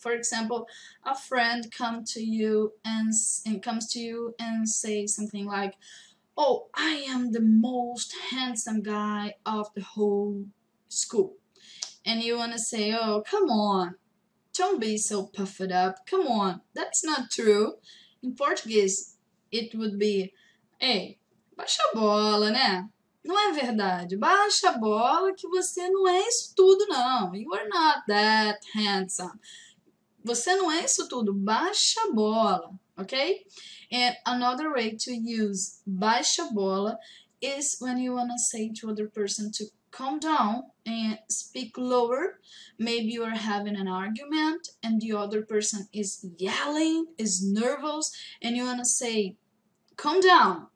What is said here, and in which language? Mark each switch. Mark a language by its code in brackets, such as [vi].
[en] For example, a friend comes to you and say something like, "Oh, I am the most handsome guy of the whole school." And you want to say, "Oh, come on, don't be so puffed up, come on, that's not true." In Portuguese, it would be, "Hey, [pt] baixa a bola, né? Não é verdade, baixa a bola que você não é isso tudo não. [en] You are not that handsome. [pt] Você não é isso tudo, baixa a bola." [en] Okay? And another way to use [pt] baixa bola [en] is when you want to say to other person to calm down and speak lower. Maybe you are having an argument and the other person is yelling, is nervous, and you want to say, calm down.